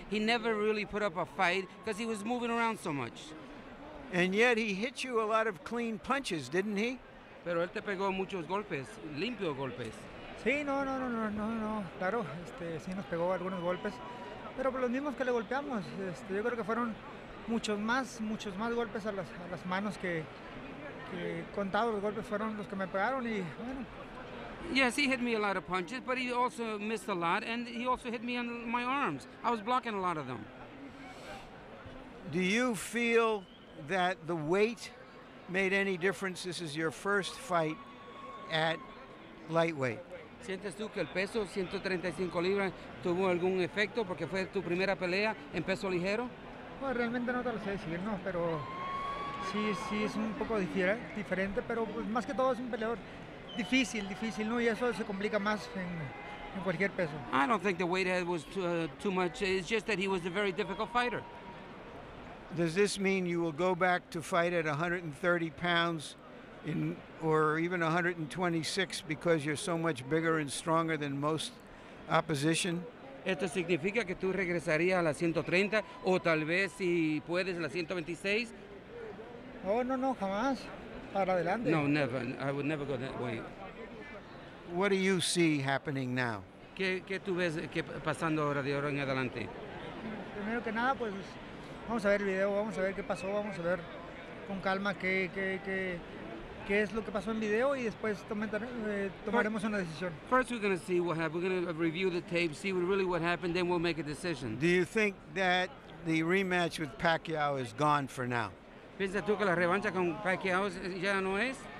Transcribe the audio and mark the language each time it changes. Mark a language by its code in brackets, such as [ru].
[en] He never really put up a fight because he was moving around so much. And yet he hit you a lot of clean punches, didn't he? [es] Pero él te pegó muchos golpes, limpios golpes. Sí, no, claro, sí nos pegó algunos golpes, pero por los mismos que le golpeamos, yo creo que fueron muchos más golpes a las manos que contados los golpes fueron los que me pegaron y bueno. [en] Yes, he hit me a lot of punches, but he also missed a lot, and he also hit me on my arms. I was blocking a lot of them. Do you feel that the weight made any difference? This is your first fight at lightweight. [es] ¿Sientes tú que el peso, 135 libras, tuvo algún efecto porque fue tu primera pelea en peso ligero? Pues realmente no te lo sé decir, no, pero sí es un poco diferente, pero pues más que todo es un peleador difícil, ¿no? Y eso se complica más en cualquier peso. [en] I don't think the weight head was too much. It's just that he was a very difficult fighter. Does this mean you will go back to fight at 130 pounds? Or even 126, because you're so much bigger and stronger than most opposition. [es] Esto significa que tú regresarías a las 130, o tal vez si puedes a las 126. Oh no, jamás. Para adelante. [en] No, never. I would never go that way. What do you see happening now? [es] ¿Qué tú ves que pasando ahora de ahora en adelante? Primero que nada, pues vamos a ver el video, vamos a ver qué pasó, vamos a ver con calma qué. ¿Qué es lo que pasó en video? Y después tomaremos una decisión. [en] First we're going to see what happened. We're going to review the tape, see really what happened, then we'll make a decision. Do you think that the rematch with Pacquiao is gone for now? [es] ¿Piensas tú que la revancha con Pacquiao ya no es?